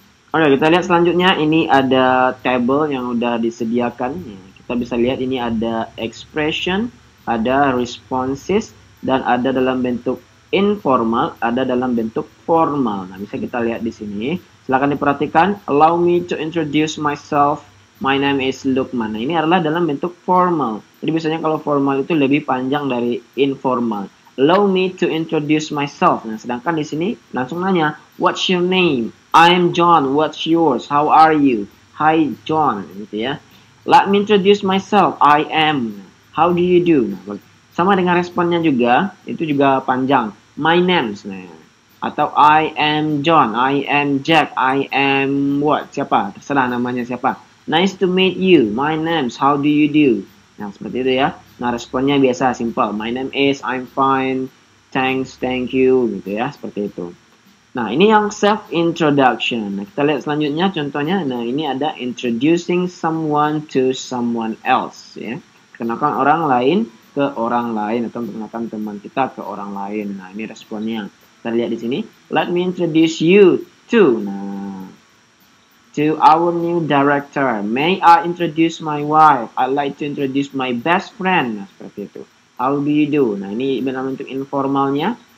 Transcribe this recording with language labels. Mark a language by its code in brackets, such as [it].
[id] Oke, kita lihat selanjutnya. Ini ada table yang sudah disediakan. Kita bisa lihat ini ada expression, ada responses, dan ada dalam bentuk informal, ada dalam bentuk formal. Nah, bisa kita lihat di sini. Silakan diperhatikan. [en] Allow me to introduce myself. My name is Lukman. [id] Nah, ini adalah dalam bentuk formal. Jadi, biasanya kalau formal itu lebih panjang dari informal. [en] Allow me to introduce myself. [id] Nah, sedangkan di sini langsung nanya, [en] what's your name? I'm John. What's yours? How are you? Hi, John. [id] Gitu ya. [en] Let me introduce myself, I am, how do you do? [id] Sama dengan responnya juga, itu juga panjang. [en] My name, atau I am John, I am Jack, I am what, [id] siapa, terserah namanya siapa. [en] Nice to meet you, my name, how do you do? [id] Nah, seperti itu ya. Nah, responnya biasa, [en] simple. My name is, I'm fine, thanks, thank you, [id] gitu ya, seperti itu. Nah, ini yang self-introduction. Nah, kita lihat selanjutnya, contohnya. Nah, ini ada [en] introducing someone to someone else, [id] ya. Kenalkan orang lain ke orang lain, atau kenalkan teman kita ke orang lain. Nah, ini responnya. Kita lihat di sini. [en] Let me introduce you to, to our new director. May I introduce my wife? I'd like to introduce my best friend. [id] Nah, seperti itu. [en] How do you do? [id] Nah, ini benar-benar untuk informalnya.